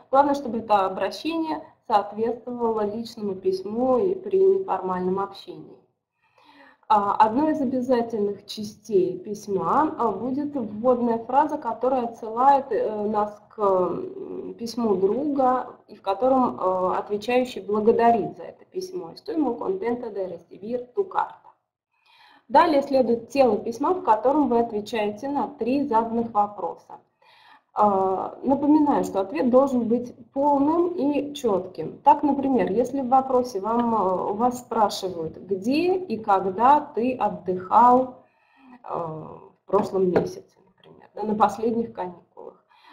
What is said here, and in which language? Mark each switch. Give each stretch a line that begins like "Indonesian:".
Russian: Главное, чтобы это обращение соответствовало личному письму и при неформальном общении. Одной из обязательных частей письма будет вводная фраза, которая отсылает нас к письму друга, и в котором отвечающий благодарит за это письмо.
Spanish: Estoy muy contenta de recibir tu carta.
Russian: Далее следует тело письма, в котором вы отвечаете на 3 заданных вопроса. Напоминаю, что ответ должен быть полным и четким. Так, например, если в вопросе вас спрашивают, где и когда ты отдыхал в прошлом месяце, например, да, на последних каникулах,